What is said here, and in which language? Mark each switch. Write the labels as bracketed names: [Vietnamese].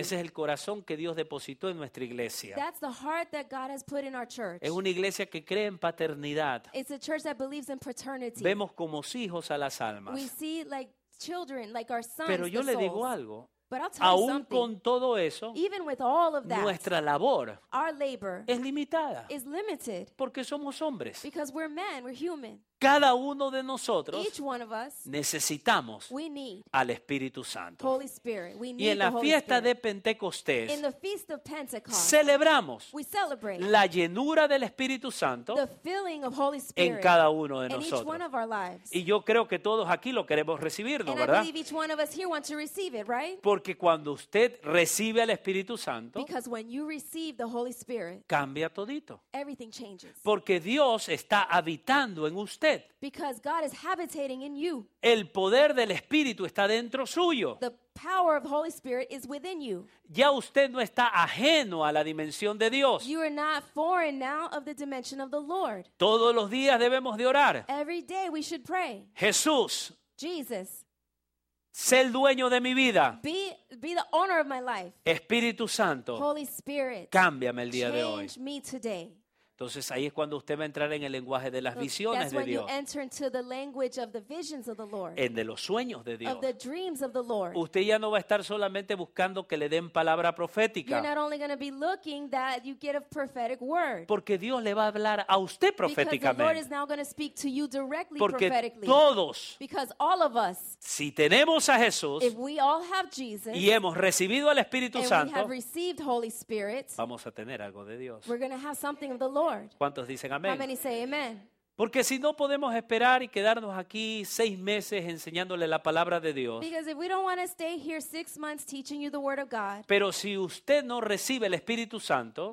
[Spanish] Ese es el corazón que Dios depositó en nuestra iglesia. [English] That's the heart that God has put in our church. [Spanish] Es una iglesia que cree en paternidad. [English] It's a church that believes in paternity. [Spanish] Vemos como hijos a las almas. [English] We see like children, like our sons. [Spanish] Pero yo le digo algo. [English] But I'll tell you something. [Spanish] Aún con todo eso, [English] even with all of that, [Spanish] nuestra labor, [English] our labor [Spanish] es limitada. [English] Is limited. [Spanish] Porque somos hombres. [English] Because we're men, we're human. [Spanish] Cada uno de nosotros [English] us, [Spanish] necesitamos [English] we need [Spanish] al Espíritu Santo. [English] Holy Spirit, we need [Spanish] y en la [English] the [Spanish] fiesta [English] Spirit. [Spanish] De Pentecostés [English] in the feast of Pentecost, [Spanish] celebramos [English] we celebrate [Spanish] la llenura del Espíritu Santo [English] the filling of Holy Spirit [Spanish] en cada uno de nosotros. [English] Each one of our lives. [Spanish] Y yo creo que todos aquí lo queremos recibir, ¿no, ¿verdad? [English] And I believe each one of us here wants to receive it, right? [Spanish] Porque cuando usted recibe al Espíritu Santo [English] because when you receive the Holy Spirit, [Spanish] cambia todito. [English] Everything changes. [Spanish] Porque Dios está habitando en usted. [English] Because God is habitating in you. [Spanish] El poder del Espíritu está dentro suyo. [English] The power of the Holy Spirit is within you. [Spanish] Ya usted no está ajeno a la dimensión de Dios. [English] You are not foreign now of the dimension of the Lord. [Spanish] Todos los días debemos de orar. [English] Every day we should pray. [Spanish] Jesús. [English] Jesus. [Spanish] Sé el dueño de mi vida. [English] Be the owner of my life. [Spanish] Espíritu Santo. [English] Holy Spirit. [Spanish] Cámbiame el día de hoy. [English] Change me today. [Spanish] Entonces ahí es cuando usted va a entrar en el lenguaje de las visiones de Dios. [English] That's when you enter into the language of the visions of the Lord. [Spanish] En de los sueños de Dios. [English] Of the dreams of the Lord. [Spanish] Usted ya no va a estar solamente buscando que le den palabra profética. [English] You're not only going to be looking that you get a prophetic word. [Spanish] Porque Dios le va a hablar a usted proféticamente. [English] Because the Lord is now going to speak to you directly prophetically. [Spanish] Todos. [English] Because all of us. [Spanish] Si tenemos a Jesús. [English] If we all have Jesus. [Spanish] Y hemos recibido al Espíritu Santo. [English] And we have received Holy Spirit. [Spanish] Vamos a tener algo de Dios. [English] We're going to have something of the Lord. [Spanish] ¿Cuántos dicen amén? [English] How many say amen? [Spanish] Porque si no podemos esperar y quedarnos aquí 6 meses enseñándole la palabra de Dios. [English] Because if we don't want to stay here 6 months teaching you the word of God. [Spanish] Pero si usted no recibe el Espíritu Santo.